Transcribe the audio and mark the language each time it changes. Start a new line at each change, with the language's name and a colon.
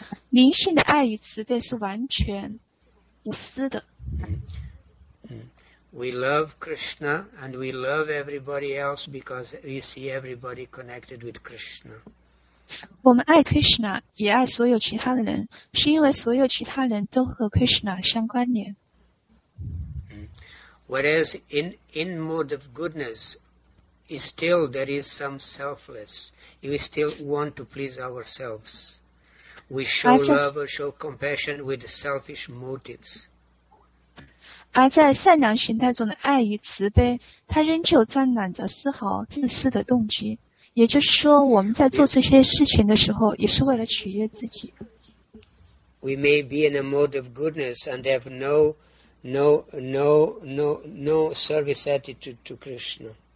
Chinese: 灵性的爱与慈悲是完全无私的。
English: We love Krishna and we love everybody else because we see everybody connected with Krishna.
Chinese: 我们爱 Krishna, 也爱所有其他的人，是因为所有其他人都和 Krishna 相关联。
English: Whereas in mode of goodness, still there is some selfless. We still want to please ourselves. We show love or show compassion with selfish motives.
Chinese: 而在善良形态中的爱与慈悲，它仍旧沾染着丝毫自私的动机。也就是说，我们在做这些事情的时候，也是为了取悦自己。
English: We may be in a mode of goodness and have no service attitude to Krishna.